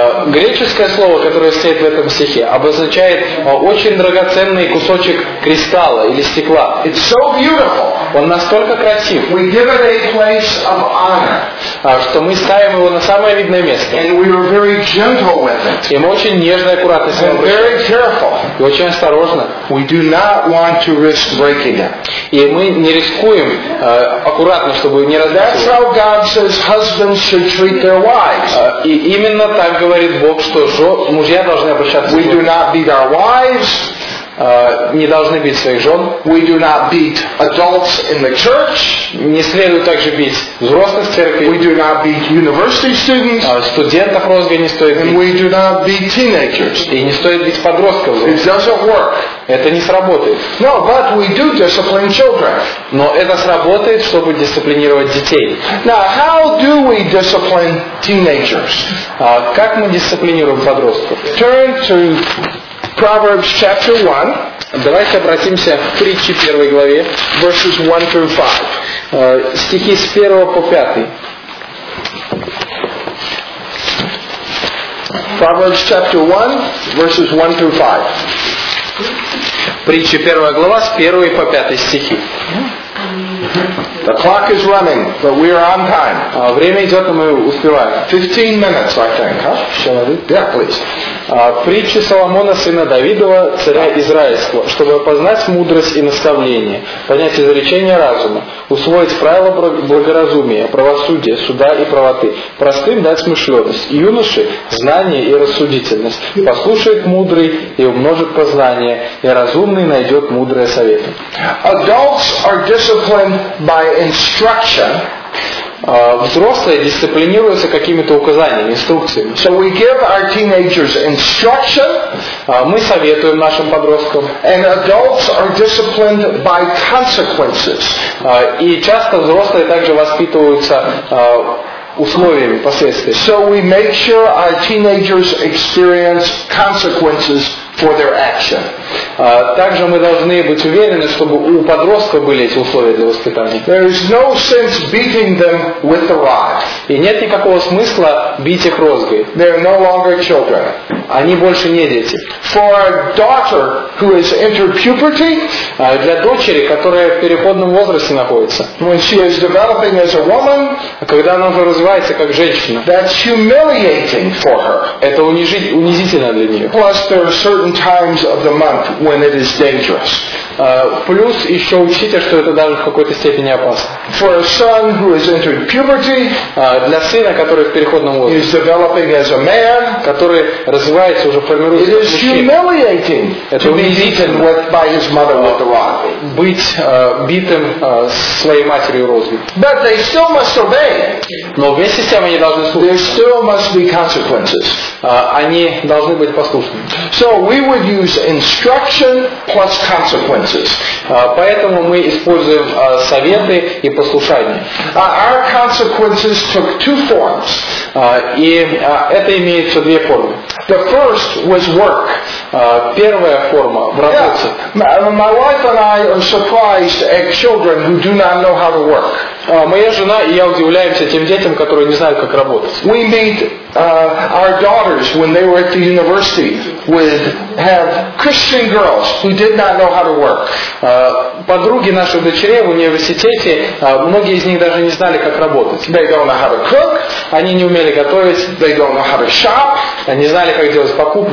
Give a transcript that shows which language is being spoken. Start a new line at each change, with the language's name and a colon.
Russian: Греческое слово, которое стоит в этом стихе, обозначает очень драгоценный кусочек кристалла или стекла.
English: It's so beautiful.
Russian: Он настолько красив.
English: We give it a place of honor.
Russian: Что мы ставим его на самое видное место.
English: And we are very gentle with it.
Russian: И мы очень нежно и аккуратно с ним обращаемся.
English: And very careful.
Russian: И очень осторожно.
English: We do not want to risk breaking it.
Russian: И мы не рискуем аккуратно, чтобы не разбить.
English: That's how God says husbands should treat their wives.
Russian: И именно так говорит Бог, что мужья должны обращаться.
English: We do not beat our wives.
Russian: Не должны бить своих жен.
English: We do not beat adults in the church.
Russian: Не следует также бить взрослых в церкви.
English: We do not beat university students.
Russian: Студентов розга не стоит бить.
English: And we do not beat teenagers.
Russian: И не стоит бить подростков.
English: It doesn't work.
Russian: Это не сработает.
English: No, but we do discipline children.
Russian: Но это сработает, чтобы дисциплинировать детей.
English: Now, how do we discipline teenagers?
Russian: Как мы дисциплинируем подростков?
English: Turn to Proverbs chapter 1.
Russian: Давайте обратимся к притче первой главе.
English: Verses 1 through 5.
Russian: Стихи с 1 по 5.
English: Proverbs chapter 1, verses 1 through 5.
Russian: Притча первая глава с 1 по 5 стихи.
English: The clock is running, but we are on time.
Russian: Время идет, но мы успеваем.
English: 15 minutes, I think, huh? Shall I do? Yeah, please.
Russian: Притча Соломона, сына Давидова, царя Израильского, чтобы познать мудрость и наставление, понять изречение разума, усвоить правила благоразумия, правосудия, суда и правоты, простым дать смышленность, юноше знание и рассудительность, послушает мудрый и умножит познание, и разумный найдет мудрые советы.
English: Adults are disciplined by instruction.
Russian: Взрослые дисциплинируются какими-то указаниями, инструкциями.
English: So we give our teenagers instruction.
Russian: Мы советуем нашим подросткам.
English: And adults are disciplined by consequences.
Russian: И часто взрослые также воспитываются условиями, последствиями.
English: So we make sure our teenagers experience consequences for their action.
Russian: Также мы должны быть уверены, чтобы у подростка были эти условия для воспитания.
English: There is no sense beating them with the rod.
Russian: И нет никакого смысла бить их розгой.
English: They are no longer children.
Russian: они больше не дети.
English: For a daughter who has entered puberty,
Russian: для дочери, которая в переходном возрасте находится,
English: when she is developing as a woman,
Russian: когда она уже развивается как женщина,
English: that's humiliating for her.
Russian: Это унизительно для нее.
English: Plus, there are certain times of the month when it is dangerous.
Russian: Плюс еще учите, что это даже в какой-то степени опасно.
English: For a son who has entered puberty,
Russian: для сына, который в переходном возрасте,
English: is developing as a man,
Russian: который развивается уже, формируется как мужчина.
English: It is humiliating to be beaten by his mother with the rod.
Russian: Быть битым своей матерью розги.
English: But they still must obey.
Russian: Но вместе с тем они должны слушать.
English: There still must be consequences.
Russian: Они должны быть послушными.
English: So we would use instruction plus consequences.
Russian: Поэтому мы используем советы и послушание.
English: Our consequences took two forms.
Russian: Это имеется две формы.
English: The first was work.
Russian: Первая форма в работе.
English: Yeah. My wife and I are surprised at children who do not know how to work.
Russian: Моя жена и я удивляемся тем детям, которые не знают, как работать.
English: We meet our daughters when they were at the university would have Christian girls who did not know how to work.
Russian: Подруги наших дочерей в университете, многие из них даже не знали, как работать.
English: They don't know how to cook.
Russian: Они не умели готовить.
English: They don't know how to shop.
Russian: Они знали, как делать покупки.